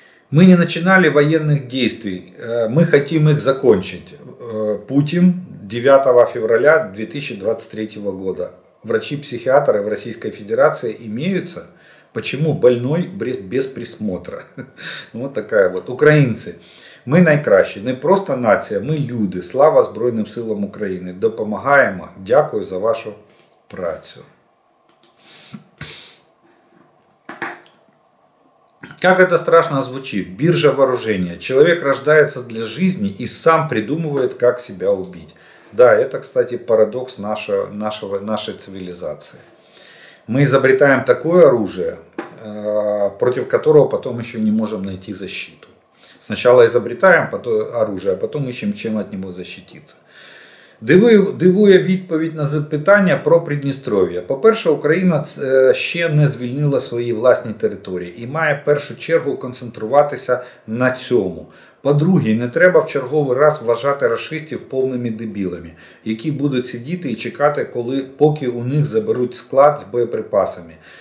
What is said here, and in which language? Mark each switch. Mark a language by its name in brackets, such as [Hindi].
[Russian] Мы не начинали военных действий, мы хотим их закончить. Путин 9 февраля 2023 года. Врачи-психиатры в Российской Федерации имеются? Почему больной без присмотра? Вот такая вот. Украинцы. [Ukrainian] Ми найкращі, не просто нація, ми люди. Слава Збройним силам України. Допомагаємо. Дякую за вашу працю. Як це страшно звучить? Біржа [Russian] вооружения. [Ukrainian] Чоловік [Russian] рождається для жизни [Ukrainian] і сам придумує, як себе убити. [Russian] Да, это, кстати, парадокс нашей цивилизации. Ми изобретаем такое оружие, против которого потом еще не можем найти защиту. Сначала изобретаем оружие, а потом ищем, чем от него защититься. [Ukrainian] Дивує відповідь на запитання про Придністров'я. По-перше, Україна ще не звільнила свої власні території і має першу чергу концентруватися на цьому. По-друге, не треба в черговий раз вважати рашистів повними дебілами, які будуть сидіти і чекати, поки у них заберуть склад з боєприпасами.